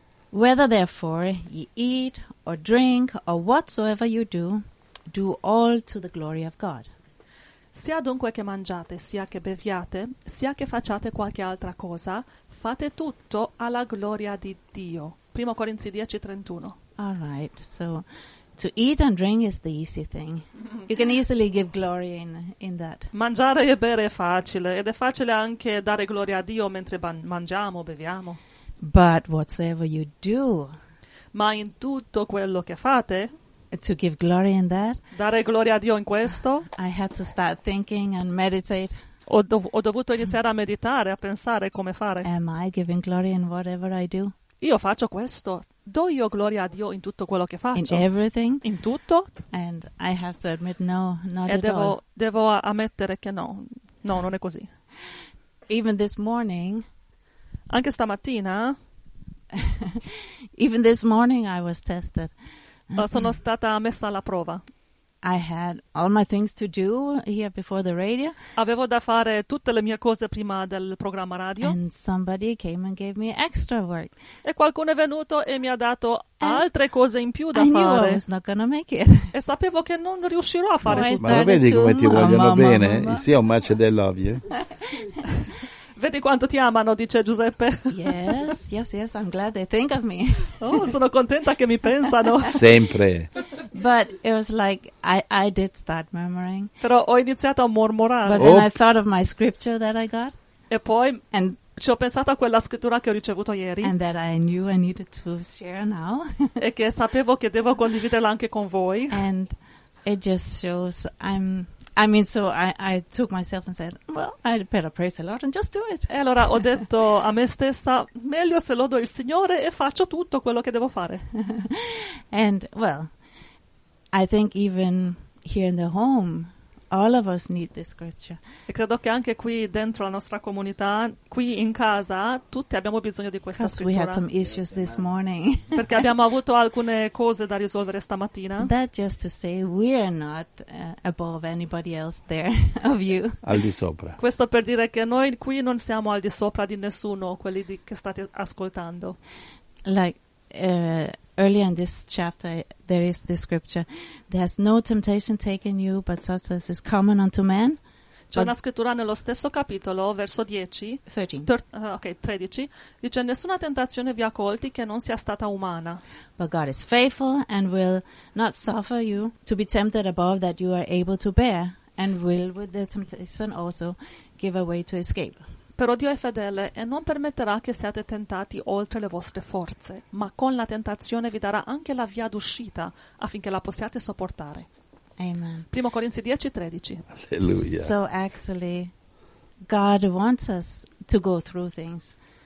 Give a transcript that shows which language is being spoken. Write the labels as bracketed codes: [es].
[en] Whether therefore ye eat or drink or whatsoever you do, do all to the glory of God. [it] Sia dunque che mangiate, sia che beviate, sia che facciate qualche altra cosa, fate tutto alla gloria di Dio. Primo Corinzi 10:31. [en] All right, so to eat and drink is the easy thing. You can easily give glory in that. [it] Mangiare e bere è facile, ed è facile anche dare gloria a Dio mentre mangiamo, beviamo. [en] But whatsoever you do, [it] ma in tutto quello che fate, [en] to give glory in that, [it] dare gloria a Dio in questo, [en] I had to start thinking and meditate. [it] Ho dovuto iniziare a meditare, a pensare come fare. [en] Am I giving glory in whatever I do? [it] Io faccio questo. Do io gloria a Dio in tutto quello che faccio? [en] In everything? [it] In tutto? [en] And I have to admit no, not at all. [it] E devo ammettere che no. No, non è così. [en] Even this morning. [it] Anche stamattina. [en] Even this morning I was tested. [it] Sono stata messa alla prova. [en] I had all my things to do here before the radio. [it] Avevo da fare tutte le mie cose prima del programma radio. [en] And somebody came and gave me extra work. [it] E qualcuno è venuto e mi ha dato altre cose in più da fare. [en] I knew I was not gonna make it. [it] E sapevo che non riuscirò a fare tutto. Ma lo vedi come ti vogliono bene? Sì, è un match dei love you. Vedi quanto ti amano, dice Giuseppe. [en] Yes, I'm glad they think of me. [it] Oh, sono contenta che mi pensano. Sempre. [en] But it was like, I did start murmuring. [it] Però ho iniziato a mormorare. [en] But then I thought of my scripture that I got. [it] E poi ci ho pensato a quella scrittura che ho ricevuto ieri. [en] And that I knew I needed to share now. [it] E che sapevo che devo condividerla anche con voi. [en] And it just shows I took myself and said, well, I'd better praise the Lord and just do it. [it] E allora ho detto a me stessa, meglio se lodo il Signore e faccio tutto quello che devo fare. [en] And, well, I think even here in the home, all of us need this scripture. [it] E credo che anche qui dentro la nostra comunità, qui in casa, tutti abbiamo bisogno di questa scrittura. [en] We had some issues this morning. [it] Perché abbiamo avuto alcune cose da risolvere stamattina. [en] That just to say we are not above anybody else there of you. [it] Al di sopra. Questo per dire che noi qui non siamo al di sopra di nessuno, quelli che state ascoltando. [en] Like early in this chapter, there is this scripture. There has no temptation taken you, but such as is common unto man. [it] C'è una scrittura nello stesso capitolo, verso 10. 13. Dice, nessuna tentazione vi ha colti che non sia stata umana. [en] But God is faithful and will not suffer you to be tempted above that you are able to bear, and will with the temptation also give a way to escape. [it] Però Dio è fedele e non permetterà che siate tentati oltre le vostre forze, ma con la tentazione vi darà anche la via d'uscita affinché la possiate sopportare. Amen. Primo Corinzi 10:13. Alleluia. [en] So actually, God wants us to go through things.